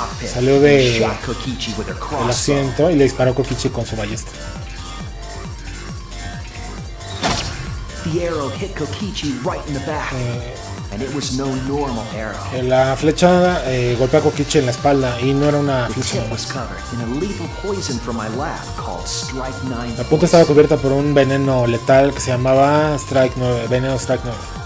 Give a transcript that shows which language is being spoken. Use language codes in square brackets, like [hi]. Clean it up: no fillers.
[es] salió del asiento y le disparó a Kokichi con su ballesta. [en] The arrow hit Kokichi right in the back. And it was no normal arrow. [es] La flecha golpea a Kokichi en la espalda y no era una flecha. [en] Was covered in a lethal poison from my lab called Strike 9. [es] La punta estaba cubierta por un veneno letal que se llamaba Strike 9, veneno Strike 9.